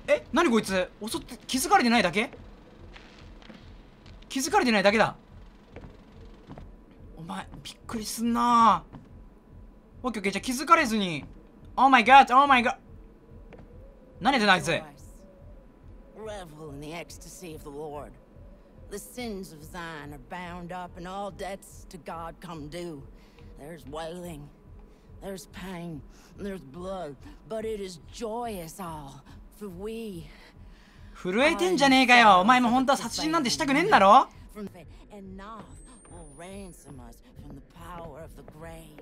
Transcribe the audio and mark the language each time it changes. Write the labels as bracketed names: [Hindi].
[Japanese] 何こいつ、襲って気づかれてないだけ、気づかれてないだけだ。前びっくりすんな。オッケーオッケー、じゃあ気づかれずに。オーマイガッド、オーマイガッ、何でないぜ。 [English] Revel in the ecstasy of the Lord. The sins of Zion are bound up and all debts to God come due. There's wailing, there's pain, there's blood, but it is joyous all, for we... [Japanese] 震えてんじゃねえかよ。お前も本当は殺人なんてしたくねえんだろ。 [English] Noth will ransom us from the power of the grave.